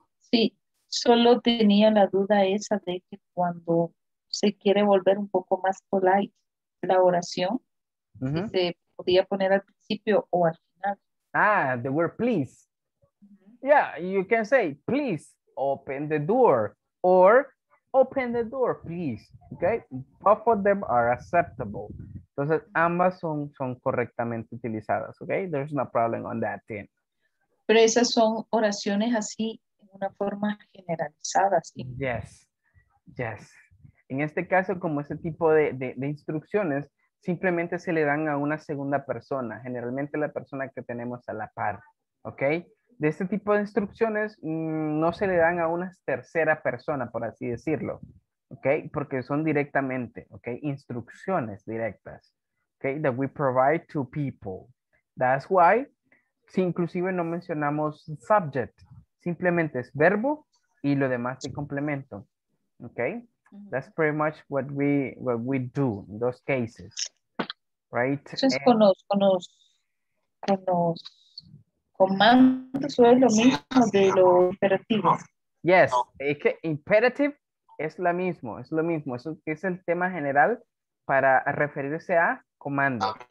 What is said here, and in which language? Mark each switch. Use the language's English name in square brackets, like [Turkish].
[Spanish] Sí, solo tenía la duda esa de que cuando se quiere volver un poco más polite la oración, si se podía poner al principio o al final. [English] Ah, the word please. Yeah, you can say, please open the door, or open the door, please. Okay, both of them are acceptable. [Spanish] Entonces, ambas son correctamente utilizadas, ¿ok? [English] There's no problem on that thing. [Spanish] Pero esas son oraciones así, en una forma generalizada, ¿sí? [English] Yes, yes. [Spanish] En este caso, como ese tipo de instrucciones, simplemente se le dan a una segunda persona, generalmente la persona que tenemos a la par, ¿ok? De este tipo de instrucciones, no se le dan a una tercera persona, por así decirlo. ¿Ok? Porque son directamente, ¿ok? Instrucciones directas, ¿ok? [English] That we provide to people. That's why, [Spanish] si inclusive no mencionamos subject, simplemente es verbo y lo demás de complemento, ¿ok? [English] That's pretty much what we do in those cases, right? [Spanish] Entonces, con los comandos es lo mismo de lo imperativo. [English] Yes, imperative. [Spanish] Es lo mismo. Es el tema general para referirse a comando.